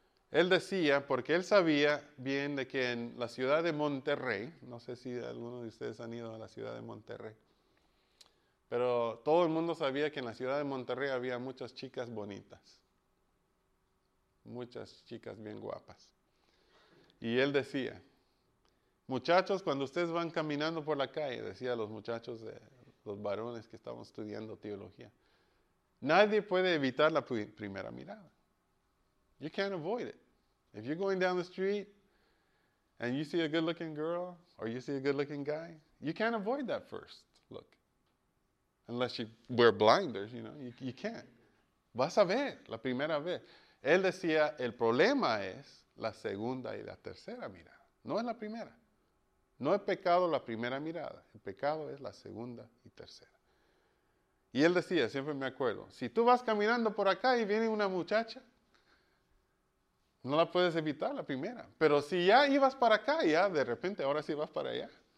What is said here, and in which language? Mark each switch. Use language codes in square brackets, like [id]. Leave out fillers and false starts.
[es] Él decía, porque él sabía bien de que en la ciudad de Monterrey, no sé si alguno de ustedes han ido a la ciudad de Monterrey, pero todo el mundo sabía que en la ciudad de Monterrey había muchas chicas bonitas, muchas chicas bien guapas. Y él decía, muchachos, cuando ustedes van caminando por la calle, decía los muchachos, los varones que estaban estudiando teología, nadie puede evitar la primera mirada. [en] You can't avoid it. If you're going down the street and you see a good-looking girl or you see a good-looking guy, you can't avoid that first look. Unless you wear blinders, you know, you can't. [es] Vas a ver la primera vez. Él decía, el problema es la segunda y la tercera mirada. No es la primera. No es pecado la primera mirada. El pecado es la segunda y tercera. Y él decía, siempre me acuerdo, si tú vas caminando por acá y viene una muchacha, no la puedes evitar la primera, pero si ya ibas para acá, ya de repente ahora sí vas para allá.